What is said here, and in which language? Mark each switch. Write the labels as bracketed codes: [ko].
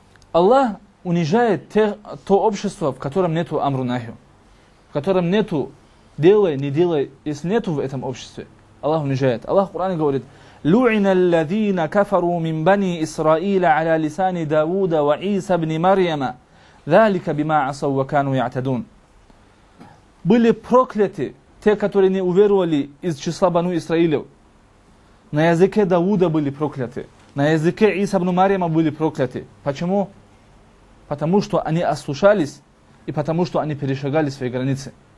[ru] Аллах унижает то общество, в котором нету амру нахью, в котором нету делай, не делай, если нету в этом обществе, Аллах унижает. Аллах в Коране говорит: [ar] لعن الذين كفروا من بني إسرائيل على لسان داود وعيسى بن مريم ذلك بما عصوا وكانوا يعتدون. [ru] Были прокляты те, которые не уверовали из числа Бану Исраилев. На языке Дауда были прокляты. На языке Иса бну Марьяма были прокляты. Почему? Потому что они ослушались и потому что они перешагали свои границы.